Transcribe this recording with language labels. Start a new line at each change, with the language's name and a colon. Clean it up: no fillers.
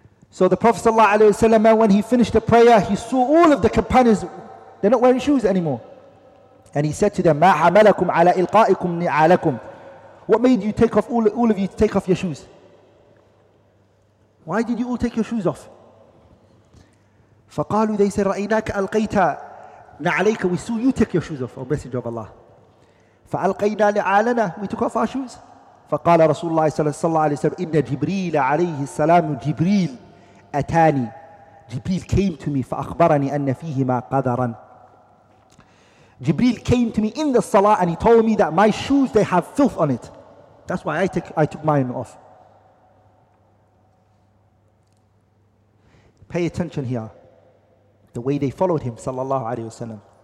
English: So the Prophet ﷺ, when he finished the prayer, he saw all of the companions, they're not wearing shoes anymore. And he said to them,
Arabic: مَا حَمَلَكُمْ عَلَىٰ إِلْقَائِكُمْ نِعَالَكُمْ.
English: What made you take off all of you to take off your shoes? Why did you all take your shoes off?
Arabic: فَقَالُوا
English: they said,
Arabic: رَأَيْنَاكَ أَلْقَيْتَ نَعَلَيْكَ.
English: We saw you take your shoes off, O Messenger of Allah.
Arabic: فَأَلْقَيْنَا نِعَالَنَا.
English: We took off our shoes.
Arabic: فَقَالَ رَسُولُ اللَّهِ صَلَّى اللَّهُ عَلَيْهِ وَسَلَّمَ إِنَّ جِبْرِيلَ عَلَيْهِ السَّلَامُ جِبْرِيلَ Atani,
English: Jibreel came to me.
Arabic: Fa akhbarani anna fihi ma qadaran.
English: Jibreel came to me in the salah and he told me that my shoes, they have filth on it. That's why I took mine off. Pay attention here. The way they followed him, sallallahu alayhi wasallam.